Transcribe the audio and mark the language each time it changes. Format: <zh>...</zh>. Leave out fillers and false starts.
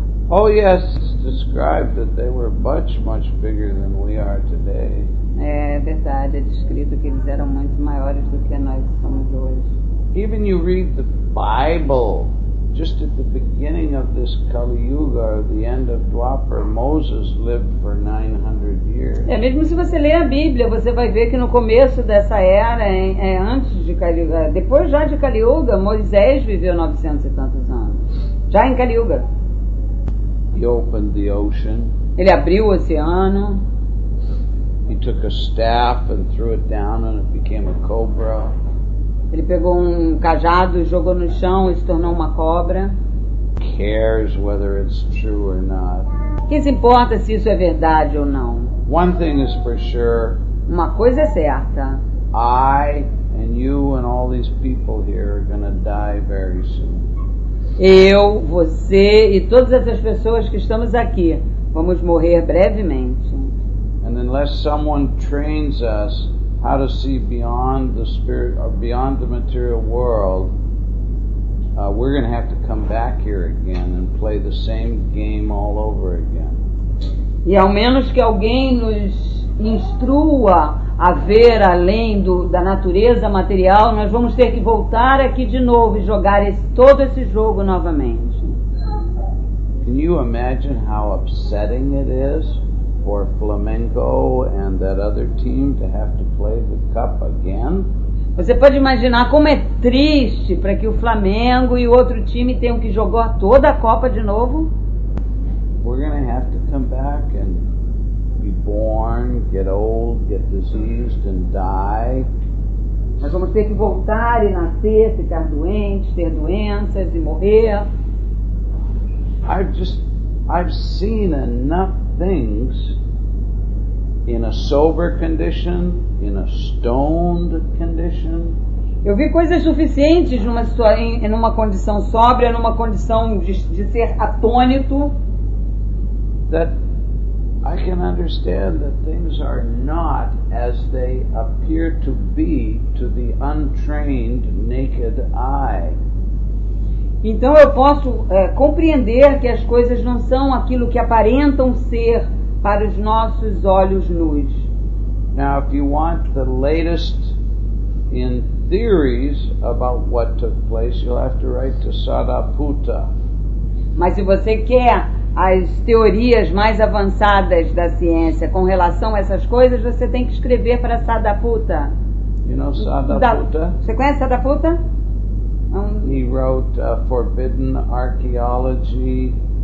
<en>Oh yes, it's described that they were much, much bigger than we are today.</en> <pt>É verdade, é descrito que eles eram muito maiores do que nós somos hoje.</pt> <en>Even you read the Bible, just at the beginning of this Kali Yuga, or the end of Dwapar, Moses lived for 900 years.</en> <pt>É, mesmo se você ler a Bíblia, você vai ver que no começo dessa era, antes de Kali Yuga, depois já de Kali Yuga, Moisés viveu 900 e tantos anos. Já em Kali Yuga.</pt> <en>He opened the ocean.</en> <pt>Ele abriu o oceano.</pt> <en>He took a staff and threw it down and it became a cobra.</en> <pt>Ele pegou um cajado e jogou no chão e se tornou uma cobra.</pt> <en>Cares whether it's true or not.</en> <pt>Quem se importa se isso é verdade ou não?</pt> <en>One thing is for sure.</en> <pt>Uma coisa é certa.</pt> <en>I and you and all these people here are going to die very soon.</en> <pt>Eu, você e todas essas pessoas que estamos aqui vamos morrer brevemente.</pt> <en>And unless someone trains us how to see beyond the spirit or beyond the material world, we're going to have to come back here again and play the same game all over again.</en> <pt>E ao menos que alguém nos instrua a ver além da natureza material, nós vamos ter que voltar aqui de novo e jogar todo esse jogo novamente.</pt> <en>Can you imagine how upsetting it is for Flamengo and that other team to have to play the cup again?</en> <pt>Você pode imaginar como é triste para que o Flamengo e o outro time tenham que jogar toda a Copa de novo?</pt> <en>We're going to have to come back and be born, get old, get diseased and die.</en> <pt>Nós vamos ter que voltar e nascer, ficar doente, ter doenças e morrer.</pt> <en>I've seen enough things in a sober condition, in a stoned condition.</en> <pt>Eu vi coisas suficientes numa condição sóbria, numa condição de ser atônito.</pt> <en>That I can understand that things are not as they appear to be to the untrained naked eye.</en> <pt>Então eu posso compreender que as coisas não são aquilo que aparentam ser para os nossos olhos nus.</pt> <en>Now, if you want the latest in theories about what took place, you'll have to write to Sadaputta.</en> <pt>Mas se você quer as teorias mais avançadas da ciência com relação a essas coisas, você tem que escrever para Sadaputta.</pt> <en>You know Sadaputta?</en> <pt>Você conhece Sadaputta?</pt> <en>He wrote Forbidden Archaeology.</en>